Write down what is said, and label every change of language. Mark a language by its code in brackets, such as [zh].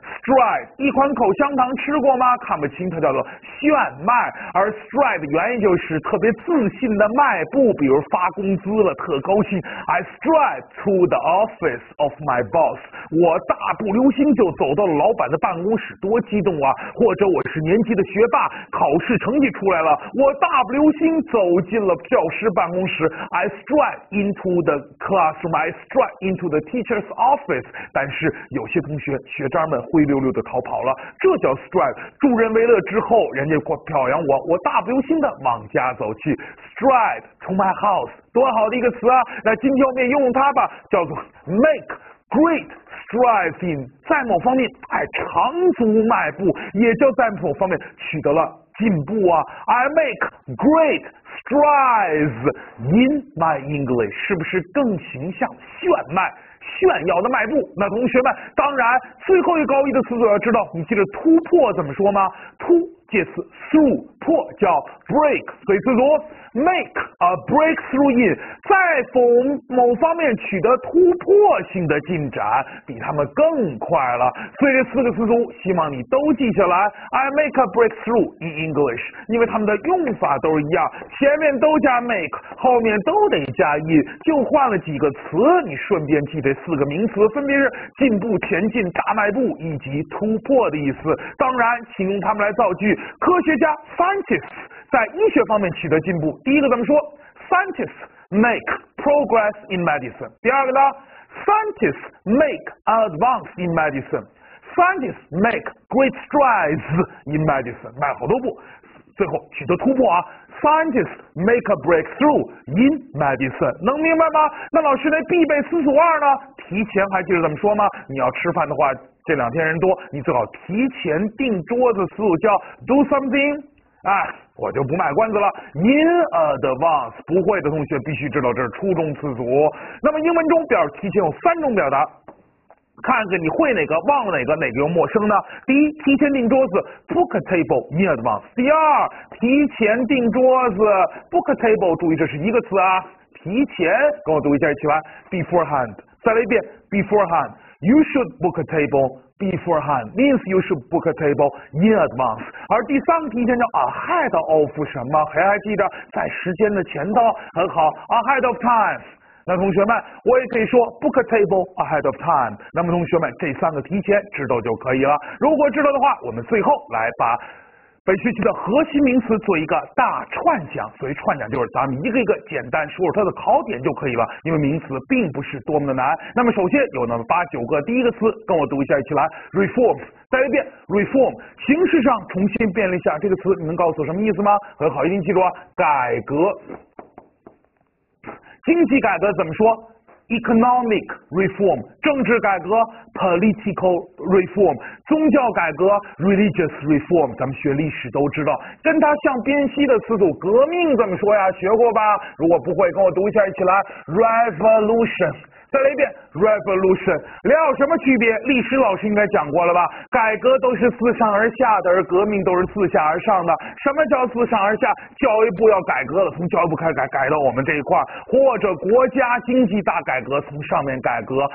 [zh] Stride 一款口香糖吃过吗？看不清，它叫做炫迈，而 Stride 原意就是特别自信的迈步，比如发工资了特高兴。 [en] I stride to the office of my boss， [zh] 我大步流星就走到了老板的办公室，多激动啊。或者我是年级的学霸，考试成绩出来了，我大步流星走进了教师办公室。 [en] I stride into the classroom， I stride into the teacher's office， [zh] 但是有些同学学渣们灰溜溜的逃跑了，这叫 stride。助人为乐之后，人家表扬我，我大步流星的往家走去。 [en] stride to my house， [zh] 多好的一个词啊。那今天我们也用它吧，叫做 [en] make great strides in， [zh] 在某方面哎长足迈步，也就在某方面取得了进步啊。 [en] I make great strides in my English， [zh] 是不是更形象炫迈炫耀的迈步？那同学们，当然最后一高一的词组要知道，你记得突破怎么说吗？突介词 through， 破叫 break， 所以词组 [en] make a breakthrough in， [zh] 在否某方面取得突破性的进展，比他们更快了。所以这四个词组希望你都记下来， [en] I make a breakthrough in English， [zh] 因为他们的用法都是一样，前面都加 make， 后面都得加 in， 就换了几个词，你顺便记这四个名词，分别是进步、前进、大迈步以及突破的意思。当然请用他们来造句。科学家 scientists 在医学方面取得进步，第一个怎么说？ [en] scientists make progress in medicine。 [zh] 第二个呢？ [en] scientists make advance in medicine。 scientists make great strides in medicine， [zh] 迈好多步，最后取得突破啊。 [en] scientists make a breakthrough in medicine， [zh] 能明白吗？那老师那必备词组二呢？提前还记得怎么说吗？你要吃饭的话，这两天人多，你最好提前订桌子，词组叫 do something， 哎，我就不卖关子了， [en] in advance。 [zh] 不会的同学必须知道这是初中词组。那么英文中表提前有三种表达，看看你会哪个，忘了哪个，哪个又陌生呢？第一，提前订桌子 ， [en] book a table in advance。 [zh] 第二，提前订桌子 ， [en] book a table。 [zh] 注意，这是一个词啊，提前，跟我读一下一起来 ，beforehand。再来一遍 ，beforehand。 [en] You should book a table beforehand means you should book a table in advance。 [zh] 而第三个提前叫 ahead of 什么，谁还记得？在时间的前头，很好， [en] ahead of time。 [zh] 那同学们，我也可以说 [en] book a table ahead of time。 [zh] 那么同学们，这三个提前知道就可以了。如果知道的话，我们最后来把本学期的核心名词做一个大串讲，所以串讲就是咱们一个一个简单说说它的考点就可以了，因为名词并不是多么的难。那么首先有那么八九个，第一个词跟我读一下一起来 reform。再一遍 reform， 形式上重新变了一下，这个词你能告诉我什么意思吗？很好，一定记住啊，改革。经济改革怎么说？ [en] economic reform， [zh] 政治改革 [en] political reform， [zh] 宗教改革 [en] religious reform。 [zh] 咱们学历史都知道跟它相边系的词组，革命怎么说呀？学过吧？如果不会跟我读一下一起来 revolution。再来一遍 revolution， 俩有什么区别？历史老师应该讲过了吧，改革都是自上而下的，而革命都是自下而上的。什么叫自上而下？教育部要改革了，从教育部开始改，改到我们这一块，或者国家经济大改革，从上面改革。